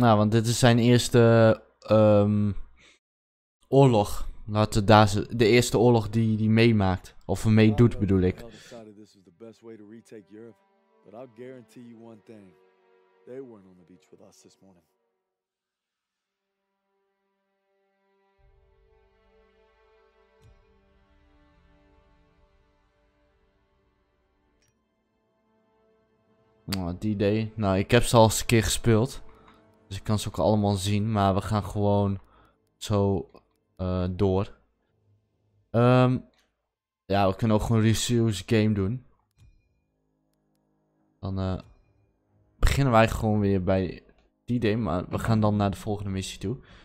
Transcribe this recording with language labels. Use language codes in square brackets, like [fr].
[nl] Nou, want dit is zijn eerste oorlog. Laat het daar de eerste oorlog die meemaakt. Of meedoet, bedoel ik. [en] Best way to retake Europe, but I'll guarantee you one thing. They weren't on the beach with us this morning. Oh, D-Day. [nl] Nou, ik heb ze al eens een keer gespeeld. Dus ik kan ze ook allemaal zien, maar we gaan gewoon zo door. Ja, we kunnen ook gewoon een serious game doen. Dan beginnen wij gewoon weer bij die game, maar we gaan dan naar de volgende missie toe.